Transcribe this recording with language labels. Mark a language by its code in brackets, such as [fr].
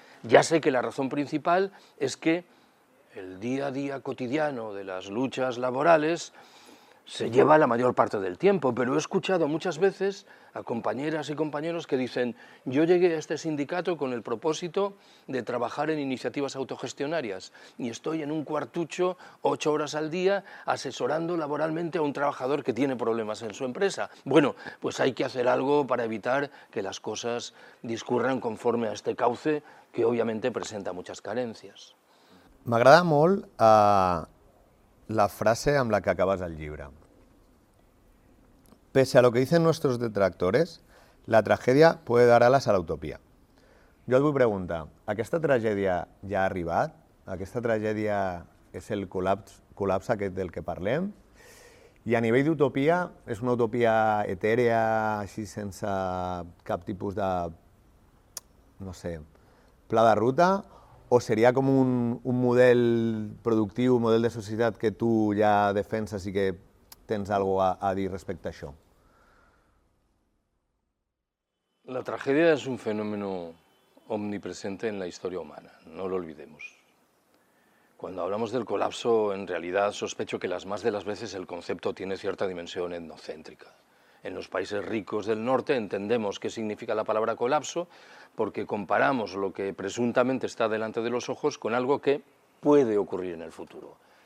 [es] Ya sé que la razón principal es que el día a día cotidiano de las luchas laborales se lleva la mayor parte del tiempo, pero he escuchado muchas veces a compañeras y compañeros que dicen: yo llegué a este sindicato con el propósito de trabajar en iniciativas autogestionarias y estoy en un cuartucho 8 horas al día asesorando laboralmente a un trabajador que tiene problemas en su empresa. Bueno, pues hay que hacer algo para evitar que las cosas discurran conforme a este cauce, que obviamente presenta muchas carencias. [ca] M'agrada molt la frase amb la que acabas el llibre. [es] Pese a lo que dicen nuestros detractores, la tragèdia puede dar alas a la utopía. [ca] Jo et vull preguntar, aquesta tragèdia ja ha arribat? Aquesta tragèdia és el col·lapse aquest del que parlem? I a nivell d'utopia, és una utopia etèrea, així sense cap tipus de, no sé, pla de ruta? O seria com un model productiu, un model de societat que tu ja defenses i que tens alguna cosa a dir respecte a això? La tragèdia és un fenomen omnipresent en la història humana, [es] no lo olvidemos. [ca] Quan [es] hablamos del colapso, [ca] en realitat [es] sospecho que las más de las veces el concepto tiene cierta dimensión etnocéntrica. En los países ricos del norte entendemos qué significa la palabra colapso porque comparamos lo que presuntamente está delante de los ojos con algo que puede ocurrir en el futuro.